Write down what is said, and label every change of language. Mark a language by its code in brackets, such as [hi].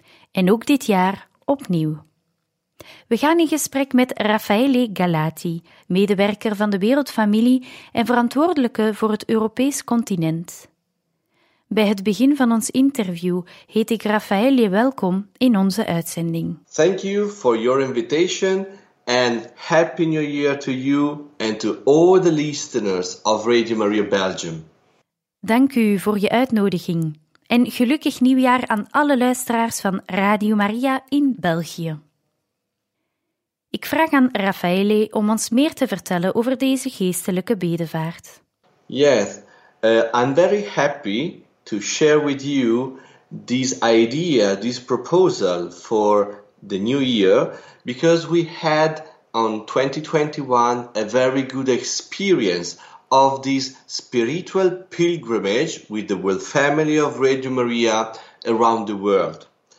[nl] En ook dit jaar opnieuw. We gaan in gesprek met Raffaele Galati, medewerker van de Wereldfamilie en verantwoordelijke voor het Europees continent. Bij het begin van ons interview heet ik Raffaele welkom in onze uitzending. [en] Thank you for your invitation and Happy New Year to you and to all the listeners of Radio Maria Belgium. [nl] Dank u voor je uitnodiging en gelukkig nieuwjaar aan alle luisteraars van Radio Maria in België. Ik vraag aan Raffaele om ons meer te vertellen over deze geestelijke bedevaart. [en] Yes, I'm very happy to share with you this idea, this proposal for the new year, because we had on 2021 a very good experience of this spiritual pilgrimage with the World Family of Radio Maria around the world.